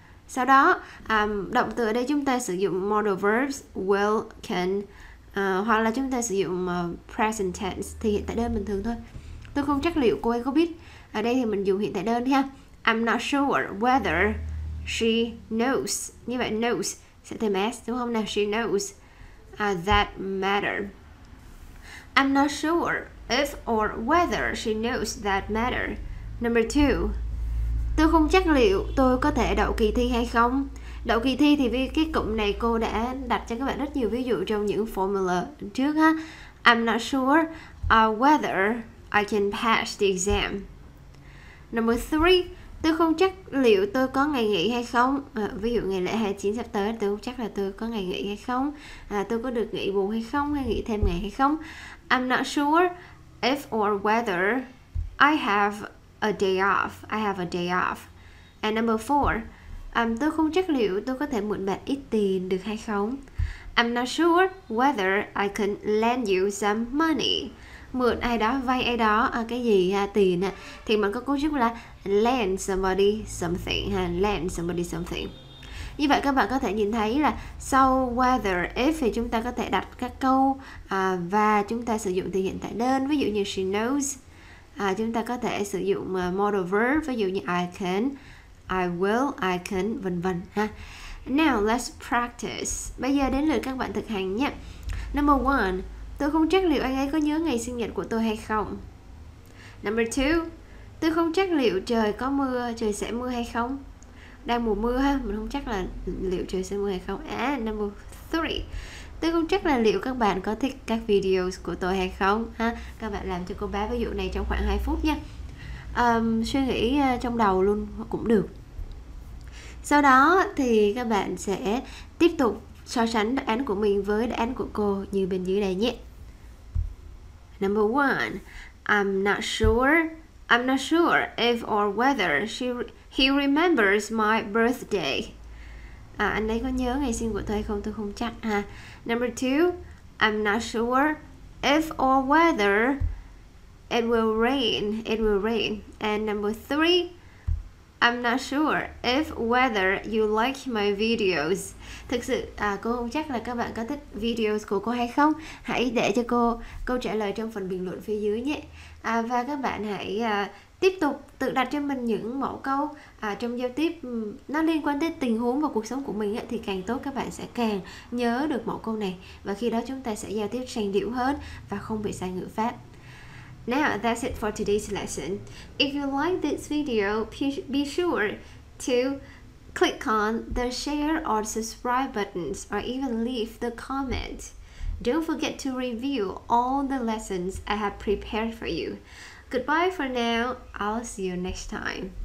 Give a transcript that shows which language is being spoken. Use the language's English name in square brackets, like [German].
[Vietnamese] Sau đó, động từ ở đây chúng ta sử dụng modal verbs, will, can, hoặc là chúng ta sử dụng present tense, thì hiện tại đơn bình thường thôi. Tôi không chắc liệu cô ấy có biết. Ở đây thì mình dùng hiện tại đơn đi ha. [English] I'm not sure whether she knows. [Vietnamese] Như vậy knows sẽ thêm s, đúng không nào? [English] She knows that matter. I'm not sure if or whether she knows that matter. Number 2. [Vietnamese] Tôi không chắc liệu tôi có thể đậu kỳ thi hay không. Đậu kỳ thi thì vì cái cụm này cô đã đặt cho các bạn rất nhiều ví dụ trong những formula trước ha. [English] I'm not sure whether I can pass the exam. Number 3, [Vietnamese] tôi không chắc liệu tôi có ngày nghỉ hay không. Ví dụ ngày lễ 29 sắp tới, tôi không chắc là tôi có ngày nghỉ hay không. Tôi có được nghỉ bù hay không, hay nghỉ thêm ngày hay không. [English] I'm not sure if or whether I have a day off. I have a day off. And number 4, [Vietnamese] tôi không chắc liệu tôi có thể mượn bạn ít tiền được hay không. [English] I'm not sure whether I can lend you some money. [Vietnamese] Mượn ai đó, vay ai đó cái gì tiền thì mình có cấu trúc là [English] lend somebody something [Vietnamese] ha, lend somebody something. Như vậy các bạn có thể nhìn thấy là sau whether, if thì chúng ta có thể đặt các câu và chúng ta sử dụng từ hiện tại đơn, ví dụ như she knows. Chúng ta có thể sử dụng modal verb, ví dụ như [English] I can, I will, I can, [Vietnamese] vân vân ha. [English] Now let's practice. [Vietnamese] Bây giờ đến lượt các bạn thực hành nhé. [English] Number 1, [Vietnamese] tôi không chắc liệu anh ấy có nhớ ngày sinh nhật của tôi hay không. [English] Number 2, [Vietnamese] tôi không chắc liệu trời có mưa, trời sẽ mưa hay không. Đang mùa mưa ha, mình không chắc là liệu trời sẽ mưa hay không. [English] Number 3, [Vietnamese] tôi không chắc là liệu các bạn có thích các videos của tôi hay không ha. Các bạn làm cho cô bé ví dụ này trong khoảng 2 phút nha. Suy nghĩ trong đầu luôn cũng được. Sau đó thì các bạn sẽ tiếp tục so sánh đáp án của mình với đáp án của cô như bên dưới đây nhé. [English] Number 1, I'm not sure if or whether he remembers my birthday. [Vietnamese] Anh ấy có nhớ ngày sinh của tôi hay không, tôi không chắc ha. [English] Number 2, I'm not sure if or whether it will rain. And number 3, I'm not sure if whether you like my videos. [Vietnamese] Thực sự cô không chắc là các bạn có thích videos của cô hay không. Hãy để cho cô câu trả lời trong phần bình luận phía dưới nhé. Và các bạn hãy tiếp tục tự đặt cho mình những mẫu câu trong giao tiếp nó liên quan tới tình huống và cuộc sống của mình ấy, thì càng tốt các bạn sẽ càng nhớ được mẫu câu này, và khi đó chúng ta sẽ giao tiếp sành điệu hơn và không bị sai ngữ pháp. [English] Now that's it for today's lesson. If you like this video, be sure to click on the share or subscribe buttons or even leave the comment. Don't forget to review all the lessons I have prepared for you. Goodbye for now. I'll see you next time.